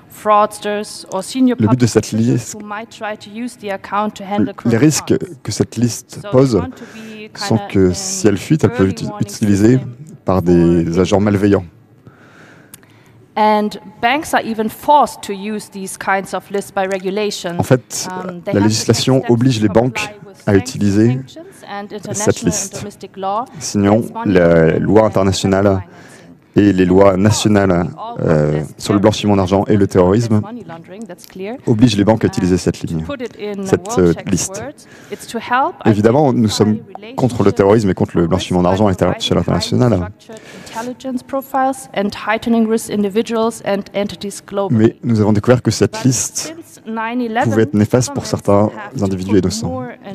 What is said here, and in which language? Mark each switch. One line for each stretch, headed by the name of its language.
French: Le but de cette liste, les risques que cette liste pose sont que si elle fuite, elle peut être utilisée par des agents malveillants.
English: And banks are even forced to use these kinds of lists by regulation.
French: En fait, la législation oblige les banques à utiliser cette liste. Sinon, la loi internationale et les lois nationales sur le blanchiment d'argent et le terrorisme obligent les banques à utiliser cette liste. Évidemment, nous sommes contre le terrorisme et contre le blanchiment d'argent à l'échelle internationale.
English: intelligence profiles and heightening risk individuals and entities globally.
French: Mais nous avons découvert que cette liste pouvait être néfaste pour certains individus innocents.